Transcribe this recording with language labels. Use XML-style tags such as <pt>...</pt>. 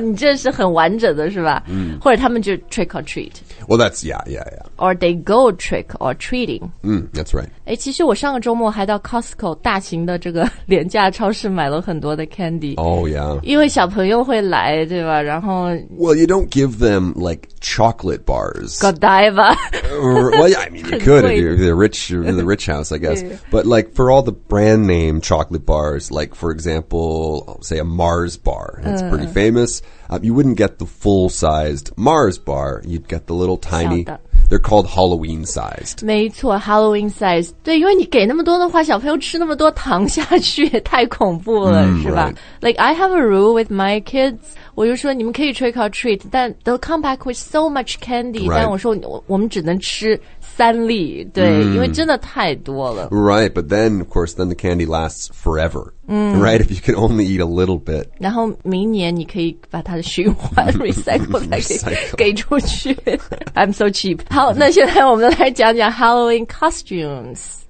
<zh>、你这是很完整的是吧、或者他们就 trick or treat</zh> <en>Well, that's, yeah. Or they go trick or treating. That's right.</en> <zh>其实我上个周末还到 Costco 大型的这个廉价超市买了很多的 candy.</zh> <en>Oh, yeah.</en> <zh>因为小朋友会来对吧然后</zh> <en>Well, you don't give them, like, chocolate bars. Godiva. Well, yeah, I mean, you could if you're in the rich house, I guess. But, like, for all the brand name chocolate bars, like, for example, say a Mars bar. That's pretty famous. You wouldn't get the full-sized Mars bar. You'd get the little tiny... They're called Halloween sized.</en> <zh>没错 ,Halloween sized. 对因为你给那么多的话小朋友吃那么多糖下去也太恐怖了、mm, 是吧、</zh> <en>right. Like, I have a rule with my kids.</en> <zh>我就说你们可以</zh> <en>trick or treat, 但 they'll come back with so much candy,、 right.</en> <zh>但我说 我们只能吃三粒对、mm. 因为真的太多了。</zh> <en>Right, but then, of course, then the candy lasts forever. Mm. Right, if you could only eat a little bit.</en> <zh>然后明年你可以把它的循环 recycle 再给出去。</zh> <en>I'm so cheap.</en> <zh>好，那现在我们来讲讲 Halloween costumes.</zh>